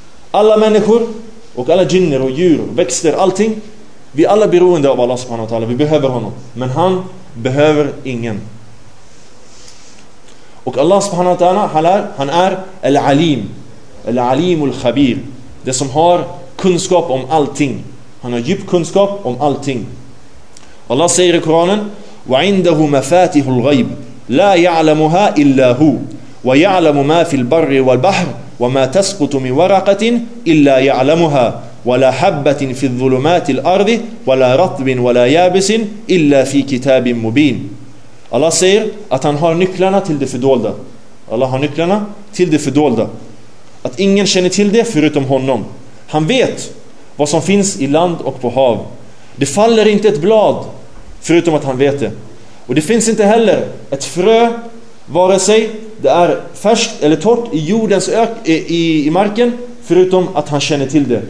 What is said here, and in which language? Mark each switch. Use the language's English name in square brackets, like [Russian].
[Swedish] Alla människor och alla jinner och djur, växter, allting, vi är alla beroende av Allah subhanahu wa ta'ala. Vi behöver honom, men han behöver ingen. Och Allah subhanahu wa ta'ala, han är al-alim, al-alimul khabir, det som har kunskap om allting. Han har djup kunskap om allting. Allah säger i Koranen, [Arabic] وَعِنْدَهُ مَفَاتِهُ الْغَيْبِ لَا يَعْلَمُهَا إِلَّا هُوَ وَيَعْلَمُ مَا فِي الْبَرِّ وَالْبَحْرِ وَمَا تَسْقُطُ مِنْ وَرَقَةٍ إِلَّا يَعْلَمُهَا وَلَا حَبَّةٍ فِي الظُّلُمَاتِ الْأَرْضِ وَلَا رَطْبٍ وَلَا يَابِسٍ إِلَّا فِي كِتَابٍ مُبِينٍ. [Swedish] Allah säger att han har nycklarna till det fördolda. Allah har nycklarna till det fördolda. Att ingen känner till det förutom honom. Han vet vad som finns i land och på hav. Det faller inte ett blad förutom att han vet det. Och det finns inte heller ett frö, vare sig det är färskt eller torrt i jordens ök, i marken, förutom att han känner till det.